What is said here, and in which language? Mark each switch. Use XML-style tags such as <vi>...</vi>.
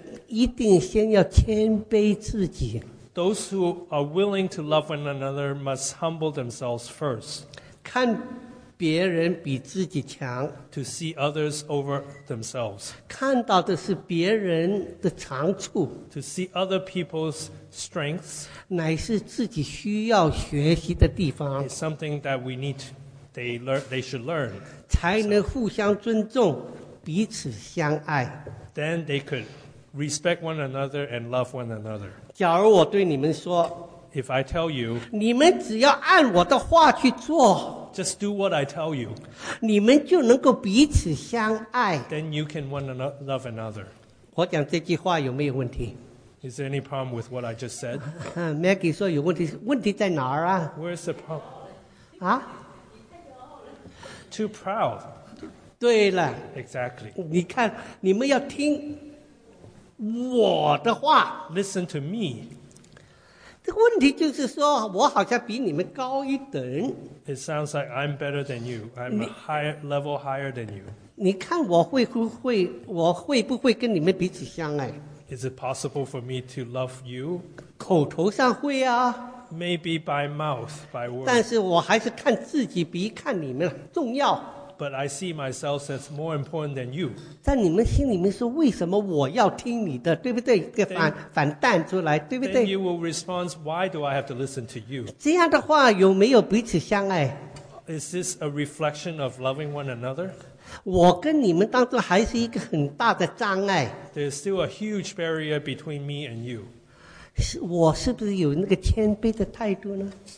<zh>彼此相爱的人一定先要谦卑自己。</zh> <en>Those who are willing to love one another must humble themselves first.</en> <zh>看别人比自己强,</zh> <en>to see others over themselves.</en> <zh>看到的是别人的长处,</zh> <en>to see other people's strengths.</en> <zh>乃是自己需要学习的地方,</zh> <en>is something that we need to they should learn.</en> <zh>才能互相尊重,</zh> <en>then they could respect one another and love one another.</en> <zh>假如我对你们说,</zh> <en>if I tell you,</en> <zh>你们只要按我的话去做,</zh> <en>just do what I tell you,</en> <zh>你们就能够彼此相爱,</zh> <en>then you can one another, love another.</en> <zh>我讲这句话有没有问题?</zh> <en>Is there any problem with what I just said?</en> <zh>Maggie说有问题, 问题在哪儿啊?</zh> <en>Where's the problem? 啊? Too proud.</en> <zh>对了,</zh> <en>exactly.</en> <zh>你看, 你们要听我的话,</zh> <en>listen to me.</en> <zh>问题就是说我好像比你们高一等,</zh> <en>it sounds like I'm better than you. I'm a level higher than you.</en> <zh>你看我会不会跟你们彼此相爱?</zh> <en>Is it possible for me to love you?</en> <zh>口头上会啊。</zh> <en>Maybe by mouth, by word.</en> <zh>但是我还是看自己比看你们重要。</zh> <en>But I see myself as more important than you.</en> <zh>在你们心里面说为什么我要听你的,对不对? 反弹出来,对不对?</zh> <en>Then you will respond, why do I have to listen to you?</en> <zh>这样的话有没有彼此相爱?</zh> <en>Is this a reflection of loving one another?</en> <zh>我跟你们当中还是一个很大的障碍。</zh> <en>There's still a huge barrier between me and you.</en> <zh>我是不是有那个谦卑的态度呢?</zh>